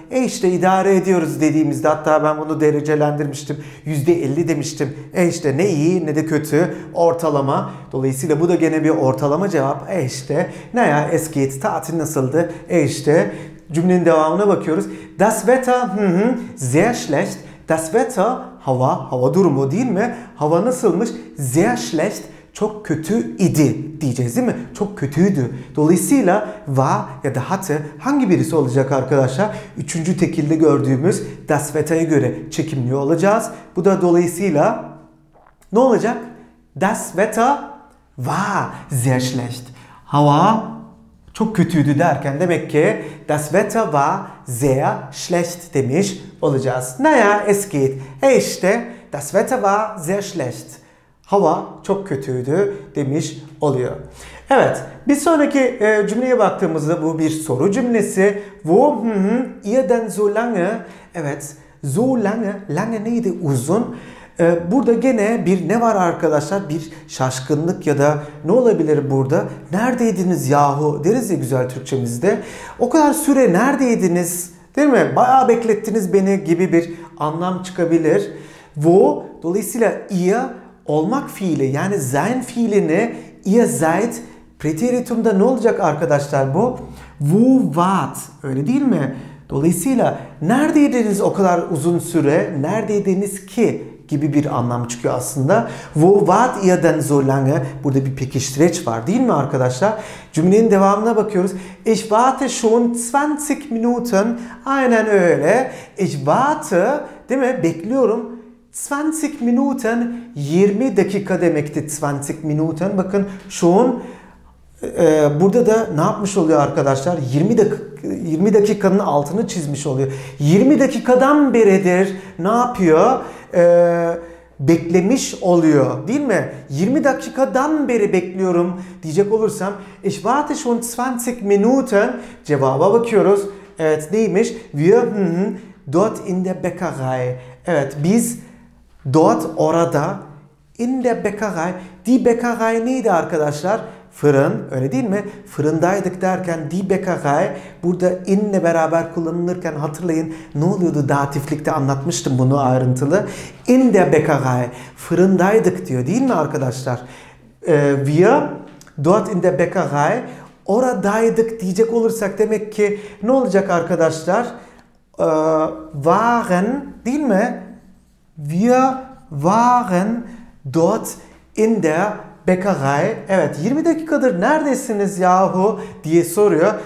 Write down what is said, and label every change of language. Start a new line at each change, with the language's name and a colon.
Turkish: E işte idare ediyoruz dediğimizde, hatta ben bunu derecelendirmiştim. %50 demiştim. E işte ne iyi ne de kötü. Ortalama. Dolayısıyla bu da gene bir ortalama cevap. E işte ne ya,
German: es geht.
Turkish: Tatil nasıldı? E işte cümlenin devamına bakıyoruz.
German: Das Wetter sehr schlecht. Das Wetter
Turkish: hava, hava durumu değil mi? Hava nasılmış?
German: Sehr schlecht.
Turkish: Çok kötü idi diyeceğiz değil mi? Çok kötüydü. Dolayısıyla war ya da hatte hangi birisi olacak arkadaşlar? Üçüncü tekilde gördüğümüz das Wetter'a göre çekimliyor olacağız. Bu da dolayısıyla ne olacak?
German: Das Wetter war sehr schlecht.
Turkish: Hava çok kötüydü derken demek ki
German: das Wetter war sehr schlecht
Turkish: demiş olacağız.
German: Naja, es geht.
Turkish: E işte
German: das Wetter war sehr schlecht.
Turkish: Hava çok kötüydü demiş oluyor. Evet, bir sonraki cümleye baktığımızda bu bir soru cümlesi.
German: Wo ihr denn so lange?
Turkish: Evet,
German: so lange, lange
Turkish: neydi? Uzun. Burada gene bir ne var arkadaşlar? Bir şaşkınlık ya da ne olabilir burada? Neredeydiniz yahu deriz ya güzel Türkçemizde. O kadar süre neredeydiniz değil mi? Bayağı beklettiniz beni gibi bir anlam çıkabilir. Wo, dolayısıyla ihr olmak fiili yani sein fiilini
German: ihr seid
Turkish: preteritumda ne olacak arkadaşlar bu?
German: Wo wart,
Turkish: öyle değil mi? Dolayısıyla neredeydiniz o kadar uzun süre? Neredeydiniz ki? Gibi bir anlam çıkıyor aslında.
German: Wo wart ihr denn so lange?
Turkish: Burada bir pekiştireç var değil mi arkadaşlar? Cümlenin devamına bakıyoruz.
German: Ich warte schon 20 Minuten.
Turkish: Aynen öyle.
German: Ich warte,
Turkish: değil mi? Bekliyorum.
German: 20 Minuten,
Turkish: 20 dakika demekti 20 Minuten. Bakın schon, burada da ne yapmış oluyor arkadaşlar? 20 dakika, 20 dakikanın altını çizmiş oluyor. 20 dakikadan beridir ne yapıyor? Beklemiş oluyor değil mi? 20 dakikadan beri bekliyorum diyecek olursam.
German: Ich warte schon 20 Minuten.
Turkish: Cevaba bakıyoruz. Evet neymiş?
German: Wir dort in der Bäckerei.
Turkish: Evet biz... Dort, orada,
German: in der Bäckerei.
Turkish: Die Bäckerei neydi arkadaşlar? Fırın, öyle değil mi? Fırındaydık derken
German: die Bäckerei.
Turkish: Burada in'le beraber kullanılırken hatırlayın. Ne oluyordu datiflikte anlatmıştım bunu ayrıntılı.
German: In der Bäckerei.
Turkish: Fırındaydık diyor değil mi arkadaşlar?
German: Wir dort in der Bäckerei.
Turkish: Oradaydık diyecek olursak demek ki ne olacak arkadaşlar?
German: Waren,
Turkish: değil mi?
German: Wir waren dort in der
Turkish: Bekagay, evet 20 dakikadır neredesiniz yahu diye soruyor.